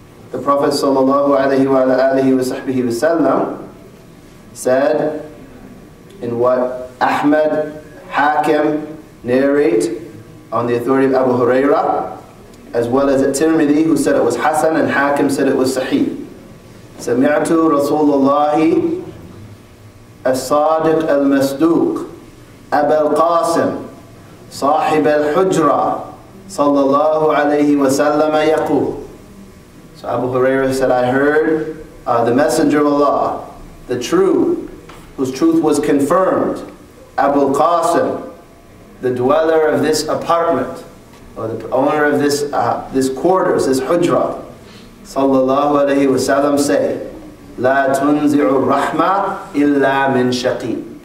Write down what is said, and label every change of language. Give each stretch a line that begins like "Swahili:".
English: The Prophet sallallahu alayhi wa alayhi wa sahbihi wa sallam said in what Ahmad Hakim narrate on the authority of Abu Hurairah, as well as At-Tirmidhi, who said it was Hasan, and Hakim said it was Sahih.
Arabic: Sami'atu Rasulullahi As-Sadiq al-Masduq Aba al-Qasim صاحب الحجرة صلى الله عليه وسلم يقول.
English: So Abu Huraira said, I heard the Messenger of Allah, the true, whose truth was confirmed, Abu Qasim, the dweller of this apartment, or the owner of this this quarters, this hujra,
Arabic: صلى الله عليه وسلم
English: say,
Arabic: لا تنزع الرحمة إلا من شقي.